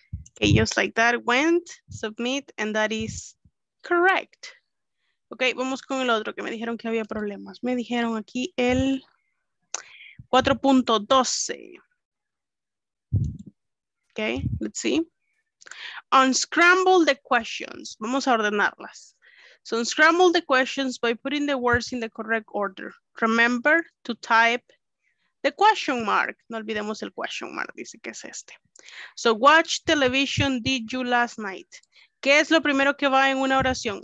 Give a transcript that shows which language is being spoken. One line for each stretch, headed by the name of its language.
English: Okay, just like that, went, submit, and that is correct.
Spanish: Okay, vamos con el otro que me dijeron que había problemas. Me dijeron aquí el 4.12.
English: Okay, let's see. Unscramble the questions.
Spanish: Vamos a ordenarlas.
English: So unscramble the questions by putting the words in the correct order. Remember to type the question mark.
Spanish: No olvidemos el question mark, dice que es este.
English: So watch television did you last night.
Spanish: ¿Qué es lo primero que va en una oración?